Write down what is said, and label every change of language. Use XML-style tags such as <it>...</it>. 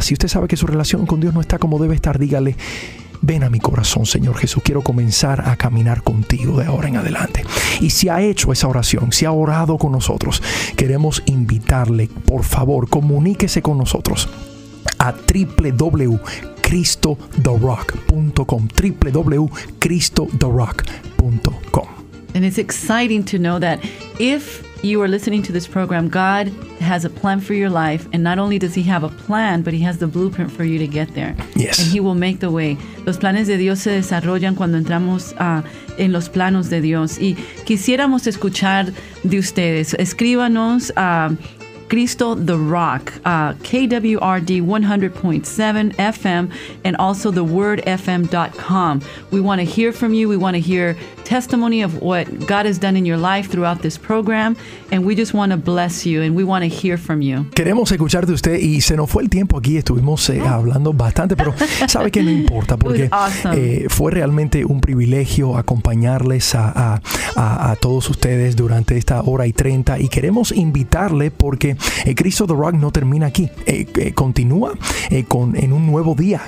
<es>Si usted sabe que su relación con Dios no está como debe estar, dígale, ven a mi corazón, Señor Jesús, quiero comenzar a caminar contigo de ahora en adelante. Y si ha hecho esa oración, si ha orado con nosotros, queremos invitarle, por favor, comuníquese con nosotros a www.cristotherock.com, www.cristotherock.com.</es> <en>And it's exciting to know that if you are listening to this program, God has a plan for your life. And not only does He have a plan, but He has the blueprint for you to get there. Yes. And He will make the way.</en> <es>Los planes de Dios se desarrollan cuando entramos en los planos de Dios. Y quisiéramos escuchar de ustedes. Escríbanos a Cristo The Rock, KWRD 100.7 FM,</es> <en>and also</en> <es>thewordfm.com.</es> <en>We want to hear from you. We want to hear testimony of what God has done in your life throughout this program, and we just want to bless you, and we want to hear from you.</en> <es>Queremos escuchar de usted, y se nos fue el tiempo aquí, estuvimos hablando bastante, pero sabe que no importa, porque fue realmente un privilegio acompañarles a todos ustedes durante esta hora y 30, y queremos invitarle porque Cristo The Rock no termina aquí, continúa en un nuevo día.</es>